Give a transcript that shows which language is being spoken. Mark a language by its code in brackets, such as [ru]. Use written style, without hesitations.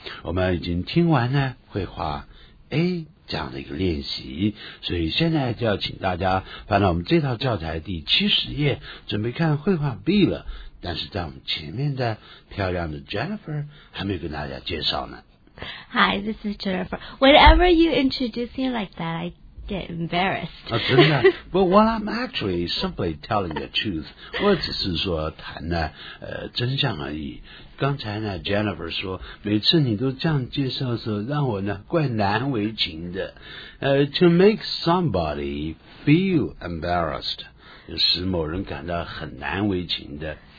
[zh] 我们已经听完呢绘画 A 这样的一个练习，所以现在就要请大家翻到我们这套教材第70页，准备看绘画 B 了。但是在我们前面的漂亮的 Jennifer 还没有跟大家介绍呢。 [en] Hi, this is Jennifer. Whenever you introduce me like that, I get embarrassed. [zh] 真的？ [en] Well, well, I'm actually simply telling the truth. [zh] 我只是说谈的真相而已。刚才呢 ，Jennifer 说，每次你都这样介绍的时候，让我呢怪难为情的。 [en] To make somebody feel embarrassed， [zh] 就使某人感到很难为情的。